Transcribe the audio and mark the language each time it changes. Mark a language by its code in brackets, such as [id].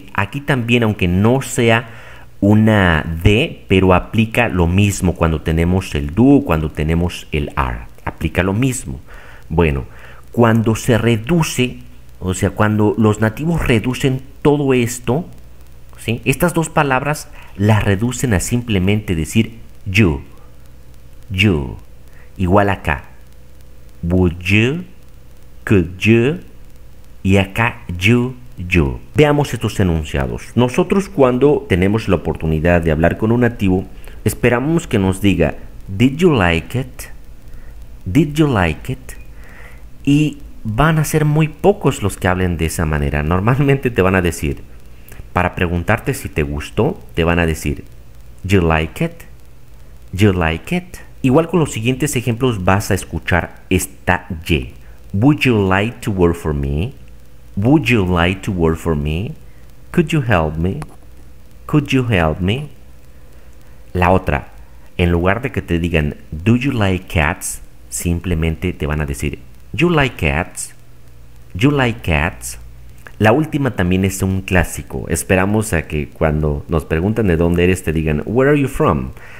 [es] Aquí también, aunque no sea una D, pero aplica lo mismo cuando tenemos el do, cuando tenemos el are. Aplica lo mismo. Bueno, cuando se reduce, o sea, cuando los nativos reducen todo esto, ¿sí? Estas dos palabras las reducen a simplemente decir you. You. Igual acá. [en] Would you, could you, [es] y acá [en] you, you. [es] Veamos estos enunciados. Nosotros cuando tenemos la oportunidad de hablar con un nativo, esperamos que nos diga, [en] did you like it, [es] did you like it, y van a ser muy pocos los que hablen de esa manera. Normalmente te van a decir, para preguntarte si te gustó, te van a decir, [en] you like it, you like it. [es] Igual con los siguientes ejemplos vas a escuchar esta Y. [en] Would you like to work for me? Would you like to work for me? Could you help me? Could you help me? [es] La otra, en lugar de que te digan, [en] do you like cats? [es] Simplemente te van a decir, [en] you like cats? You like cats? [es] La última también es un clásico. Esperamos a que cuando nos preguntan de dónde eres, te digan, [en] where are you from?